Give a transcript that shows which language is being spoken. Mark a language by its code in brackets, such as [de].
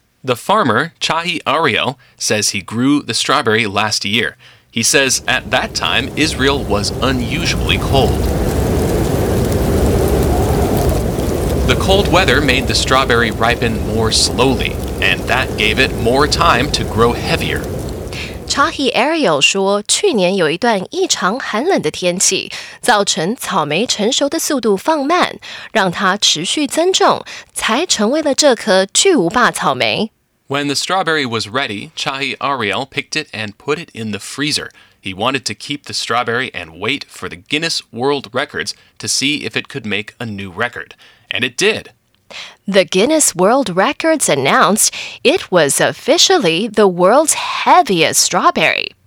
[en] The farmer, Chahi Ariel, says he grew the strawberry last year. He says at that time, Israel was unusually cold. The cold weather made the strawberry ripen more slowly, and that gave it more time to grow heavier. [zh] Chahi Ariel 说去年有一段异常寒冷的天气造成草莓成熟的速度放慢让它持续增重才成为了这颗巨无霸草莓。 [en] When the strawberry was ready, Chahi Ariel picked it and put it in the freezer. He wanted to keep the strawberry and wait for the Guinness World Records to see if it could make a new record. And it did. The Guinness World Records announced it was officially the world's heaviest strawberry.